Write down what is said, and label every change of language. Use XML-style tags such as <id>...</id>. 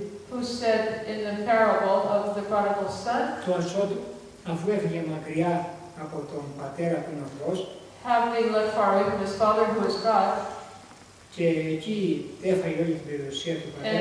<en>Who said in the parable of the prodigal son,</en> <el>το ασώτη, αφού έφυγε μακριά από τον πατέρα που είναι ο Θεός,</el> <en>having left far away from his father who is God,</en> <el>και εκεί έφαγε όλη την περιουσία του πατέρα,</el>